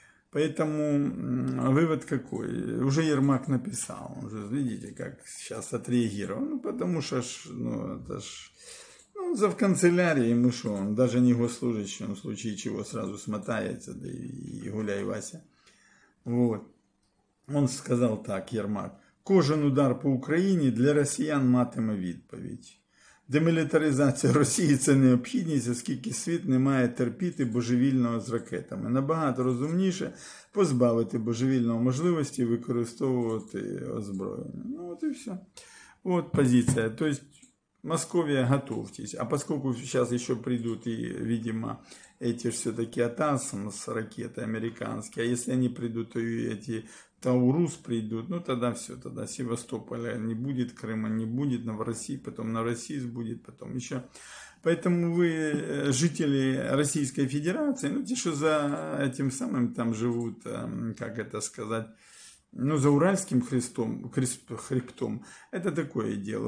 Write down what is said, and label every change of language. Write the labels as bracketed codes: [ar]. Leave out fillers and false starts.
[ru] Поэтому вывод какой? Уже Ермак написал, уже видите, как сейчас отреагировал. Ну, потому что ж, ну, это ж, ну, за в канцелярии ему что, он даже не госслужащий, он в случае чего сразу смотается, да и гуляй, Вася. Вот. Он сказал так, Ермак: [uk] кожен удар по Україні для росіян матиме відповідь. Демілітаризація Росії – це необхідність, оскільки світ не має терпіти божевільного з ракетами. Набагато розумніше позбавити божевільного можливості використовувати озброєння. Ну, от і все. От позиція. Тобто, Московія, готовтесь. А поскольку зараз ще прийдуть і, видимо, эти ж все-таки АТАС з ракети американські, а якщо вони прийдуть, то і ці... [ru] Таурус придут, ну тогда все, тогда Севастополя не будет, Крыма не будет, Новороссии, потом Новороссийс будет, потом еще. Поэтому вы, жители Российской Федерации, ну те, что за этим самым там живут, как это сказать, ну за Уральским хребтом, это такое дело.